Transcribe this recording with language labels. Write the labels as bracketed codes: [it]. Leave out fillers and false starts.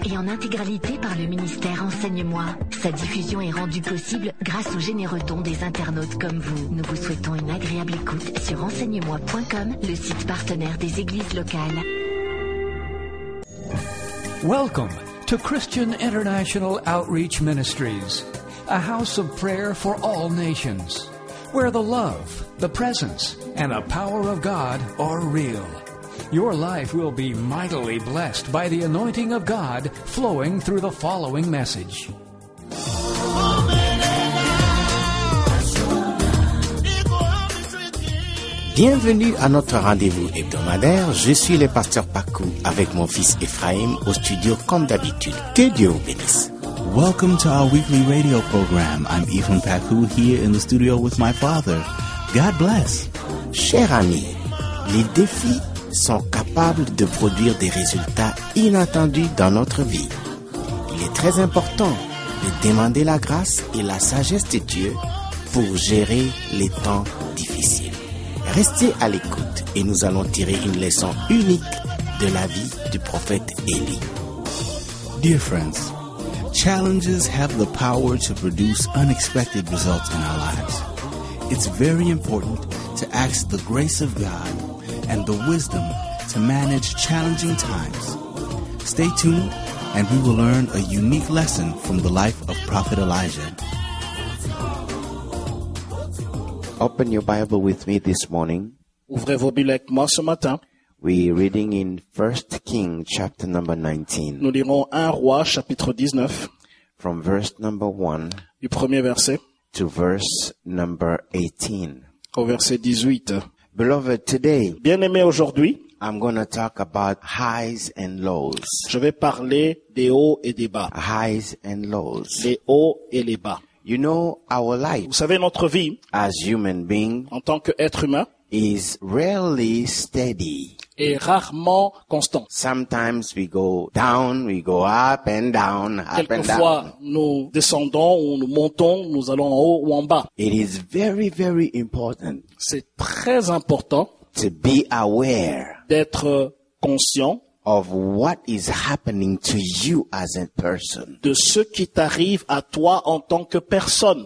[fr] Et en intégralité par le ministère Enseigne-moi. Sa diffusion est rendue possible grâce aux généreux dons des internautes comme vous. Nous vous souhaitons une agréable écoute sur enseignemoi.com, le site partenaire des églises locales. [en] Welcome to Christian International Outreach Ministries, a house of prayer for all nations, where the love, the presence, and the power of God are real. Your life will be mightily blessed by the anointing of God flowing through the following message. [fr] Bienvenue à notre rendez-vous hebdomadaire. Je suis le pasteur Pakou avec mon fils Ephraim au studio comme d'habitude. Que Dieu vous bénisse. [en] Welcome to our weekly radio program. I'm Ephraim Pakou here in the studio with my father. God bless. [fr] Chers amis, les défis sont capables de produire des résultats inattendus dans notre vie. Il est très important de demander la grâce et la sagesse de Dieu pour gérer les temps difficiles. Restez à l'écoute et nous allons tirer une leçon unique de la vie du prophète Élie. [en] Dear friends, challenges have the power to produce unexpected results in our lives. It's very important to ask the grace of God and the wisdom to manage challenging times. Stay tuned and we will learn a unique lesson from the life of Prophet Elijah. Open your Bible with me this morning. [fr] Ouvrez vos Bibles avec moi ce matin. [en] We're reading in 1 Kings chapter number 19. [fr] Nous lirons 1 Roi chapitre 19. [en] From verse number 1. [fr] Du premier verset. [en] To verse number 18. [fr] Au verset 18. [en] Beloved, today. [fr] Bien-aimé aujourd'hui. [en] I'm going to talk about highs and lows. [fr] Je vais parler des hauts et des bas. [en] Highs and lows. [fr] Les hauts et les bas. [en] You know, our life, [fr] vous savez, notre vie, [en] as human being, [fr] en tant qu'être humain, [en] is rarely steady. [fr] Est rarement constant. [en] Sometimes we go down, we go up and down, up and down. [fr] Quelquefois, nous descendons ou nous montons, nous allons en haut ou en bas. [en] It is very, very important. [fr] C'est très important. [en] To be aware. [fr] D'être conscient. [en] Of what is happening to you as a person. [fr] De ce qui t'arrive à toi en tant que personne.